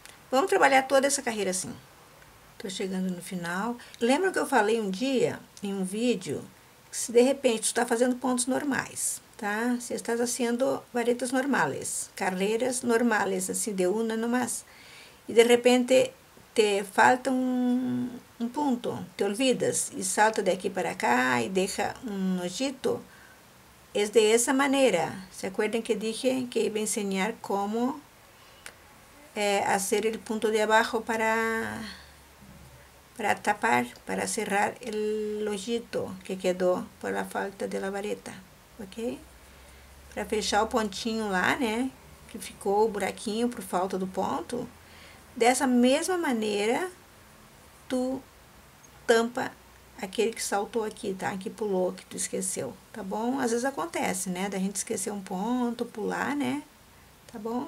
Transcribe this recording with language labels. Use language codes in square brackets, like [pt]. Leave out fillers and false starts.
[pt] Vamos trabalhar toda essa carreira assim. Tô chegando no final. Lembra que eu falei um dia, em um vídeo, se de repente tu tá fazendo pontos normais, tá? [es] Se estás haciendo varetas normales, carreras normales, así de una nomás, y de repente te falta un punto, te olvidas y salta de aquí para acá y deja un hoyito, es de esa manera. ¿Se acuerdan que dije que iba a enseñar cómo hacer el punto de abajo para tapar, para cerrar el hoyito que quedó por la falta de la vareta, ¿ok? [pt] Para fechar o pontinho lá, né? Que ficou o buraquinho por falta do ponto. Dessa mesma maneira, tu tampa aquele que saltou aqui, tá? Que pulou, que tu esqueceu, tá bom? Às vezes acontece, né? Da gente esquecer um ponto, pular, né? Tá bom?